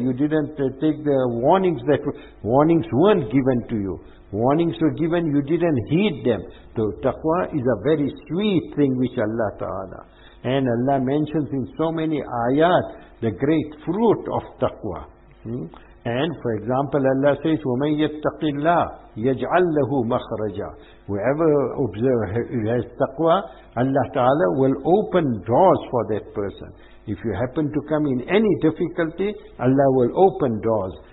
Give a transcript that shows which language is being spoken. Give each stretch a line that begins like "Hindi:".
English: You didn't take the warnings warnings weren't given to you. Warnings were given, you didn't heed them. So taqwa is a very sweet thing which Allah Ta'ala. And Allah mentions in so many ayat the great fruit of taqwa. And for example, Allah says,
Arabic: وَمَنْ يَتَّقِ اللَّهِ يَجْعَلْ لَهُ مَخْرَجًا.
English: Whoever has taqwa, Allah Ta'ala will open doors for that person. If you happen to come in any difficulty, Allah will open doors.